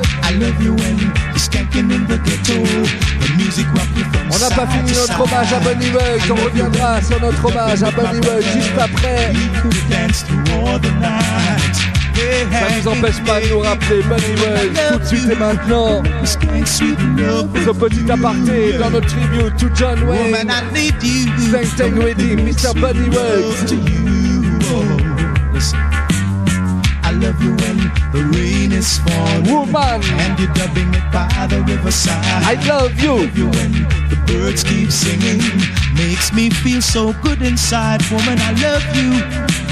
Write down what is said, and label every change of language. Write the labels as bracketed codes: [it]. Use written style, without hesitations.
[en] I love you when you're skanking in the ghetto. The music rock you from. [fr] On n'a pas fini notre hommage à Bonnie Raitt. On reviendra sur notre hommage à Bonnie Raitt juste après. Ça ne nous empêche pas de nous rappeler Bonnie Raitt tout de suite et maintenant. Ce petit aparté dans notre [en] tribute to John Wayne. Thanks, thank with him, Mr. Bonnie Raitt. I love you when the rain is falling. Woman. And you're dubbing it by the riverside. I love you. I love you when the birds keep singing. Makes me feel so good inside. Woman, I love you.